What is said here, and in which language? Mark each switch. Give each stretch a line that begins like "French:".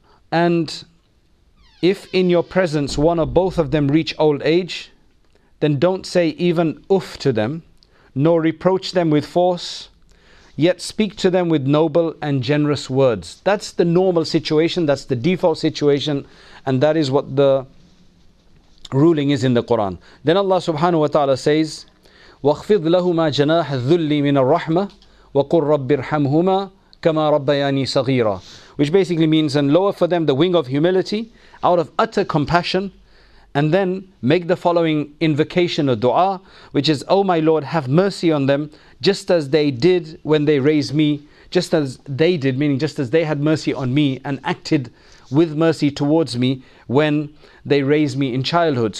English: And if in your presence one or both of them reach old age, then don't say even uff to them, nor reproach them with force, yet speak to them with noble and generous words. That's the normal situation, that's the default situation, and that is what the ruling is in the Quran. Then Allah subhanahu wa ta'ala says,
Arabic: وَخْفِضْ لَهُمَا جَنَاحَ ذُلِّ مِنَ الرَّحْمَةِ وَقُلْ رَبِّ ارْحَمْهُمَا كَمَا رَبَّيَانِي صَغِيرًا.
English: Which basically means, and lower for them the wing of humility out of utter compassion, and then make the following invocation or dua, which is, O my Lord, have mercy on them just as they did when they raised me, just as they did, meaning just as they had mercy on me and acted with mercy towards me when they raised me in childhood.